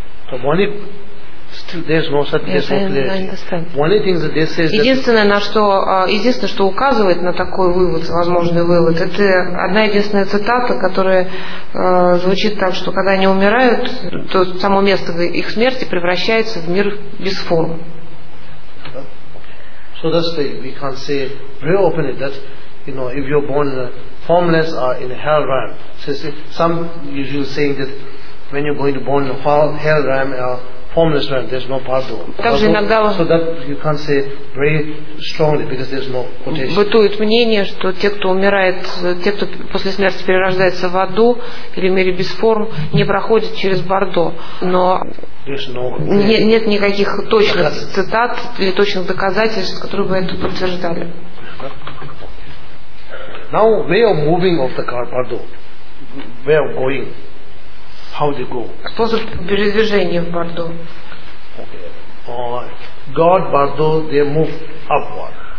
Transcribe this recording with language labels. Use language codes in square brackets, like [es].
[en] The only still there's no certainty. Yes, I understand. Only thing that they say is [ru] единственное, на что, единственное, что указывает на такой вывод, возможный вывод, это одна единственная цитата, которая звучит так, что когда они умирают, то само место их смерти превращается в мир без форм. [en] So that's the we can say very openly that, you know, if you're born formless or in a hell realm. So some usually saying that when you're going to born in a hell realm or formless realm, there's no Бардо. So that you can't say very strongly because there's no quotation. [ru] Бытует мнение, что те, кто умирает, те, кто после смерти перерождается в аду или в мире без форм, не проходят через Бардо. Но нет никаких точных цитат или точных доказательств, которые бы это подтверждали. [en] Now way of moving of the car Бардо, way of going. How they go? [ru] Способ передвижения в Бардо. [en] Okay. God Бардо, they move upward.